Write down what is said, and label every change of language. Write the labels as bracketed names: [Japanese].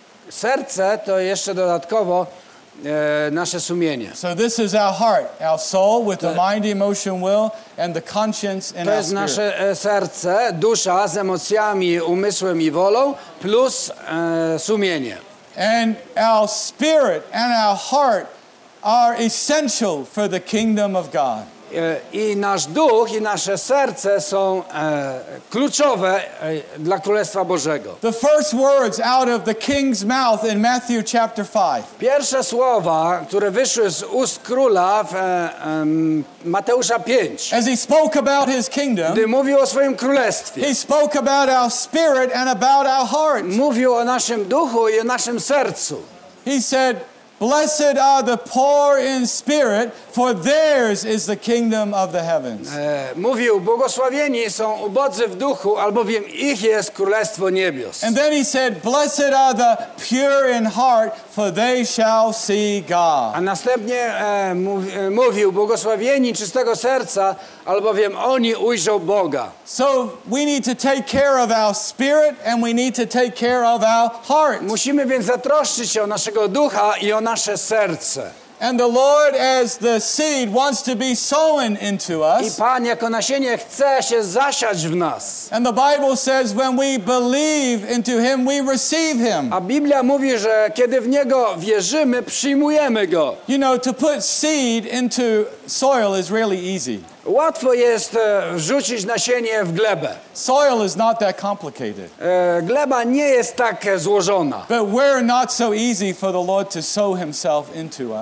[Polish] Serce to jeszcze dodatkowo nasze sumienie. [English] So this is our heart, our soul with the mind, emotion, will and the conscience in our spirit. [Polish] To jest nasze serce, dusza z emocjami, umysłem i wolą plus sumienie. [English] And our spirit and our heart are essential for the kingdom of God. [Polish] I nasz duch i nasze serce są kluczowe dla Królestwa Bożego. [English] The first words out of the king's mouth in Matthew chapter 5. [Polish] Pierwsze słowa, które wyszły z ust króla w Mateusza 5. [English] As he spoke about his kingdom. [Polish] Gdy mówił o swoim królestwie. [English] He spoke about our spirit and about our heart. [Polish] Mówił o naszym duchu i o naszym sercu. [English] He said, blessed are the poor in spirit, for theirs is the kingdom of the heavens. [Polish] Mówił, błogosławieni są ubodzy w duchu, albowiem ich jest królestwo niebios. [English] And then he said, blessed are the pure in heart, for they shall see God. [Polish] A następnie mówił, błogosławieni czystego serca, albowiem oni ujrzą Boga. [English] So we need to take care of our spirit and we need to take care of our heart. [Polish] Musimy więc zatroszczyć się o naszego ducha i o nasze serce. [English] And the Lord, as the seed, wants to be sown into us. [Polish] I Pan jako nasienie chce się zasiać w nas. [English] And the Bible says, when we believe into Him, we receive Him. [Polish] A Biblia mówi, że kiedy w Niego wierzymy, przyjmujemy Go. [English] You know, to put seed into soil is really easy. [Polish] Łatwo jest wrzucić nasienie w glebę. [English] Soil is not that complicated. [Polish] Gleba nie jest tak złożona. [English] But we're not so easy for the Lord to sow Himself into us.